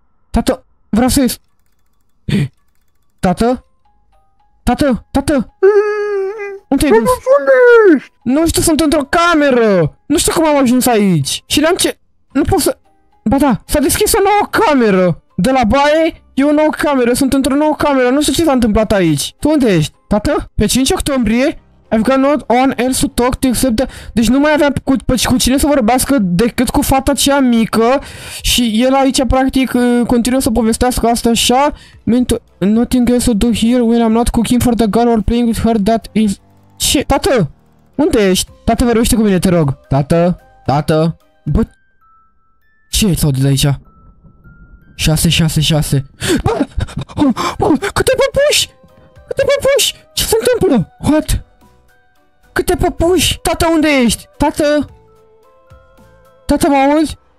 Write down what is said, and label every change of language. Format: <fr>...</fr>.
<ro>Tată, vreau să ies! Tată? Tată! Unde ai dus? Nu știu, sunt într-o cameră! Nu știu cum am ajuns aici! Și le-am ce... Nu pot să... Ba da, s-a deschis o nouă cameră! De la baie, e o nouă cameră, sunt într-o nouă cameră, nu știu ce s-a întâmplat aici! Tu unde ești? Tată? Pe 5 octombrie?</ro> <en>I've got not on else to talk to except the...</en> <ro>Deci nu mai aveam cu cine să vorbească decât cu fata cea mică. Și el aici practic continuă să povestească asta așa.</ro> <en>Nothing else to do here when I'm not cooking for the girl or playing with her that is...</en> <ro>Ce? Tată! Unde ești? Tată, vorbește cu mine, te rog. Tată. Bă... Ce s-a auzit aici? 666. Bă! Câte păpuși! Câte păpuși! Ce se întâmplă? What? Câte păpuși! Tată, unde ești? Tată! Tată, mă auzi?</ro>